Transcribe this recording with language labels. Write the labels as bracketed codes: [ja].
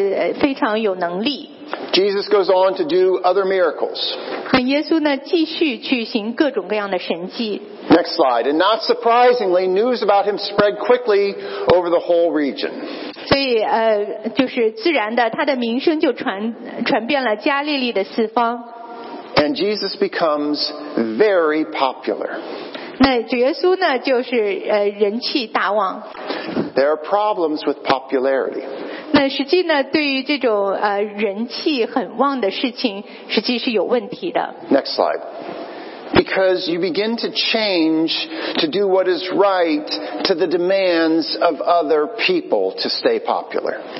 [zh] 因为他主耶稣讲的道非常有能力。 [en] Jesus goes on to do other miracles. [zh] 那耶稣呢继续去行各种各样的神迹。 [en] Next slide. And not surprisingly, news about him spread quickly over the whole region. [zh] 所以就是自然的，他的名声就传遍了加利利的四方。 [en] And Jesus becomes very popular. [zh] 那主耶稣呢就是人气大旺。 [en] There are problems with popularity. [zh] 那实际呢，对于这种人气很旺的事情，实际是有问题的。 [en] Next slide. Because you begin to change to do what is right to the demands of other people to stay popular.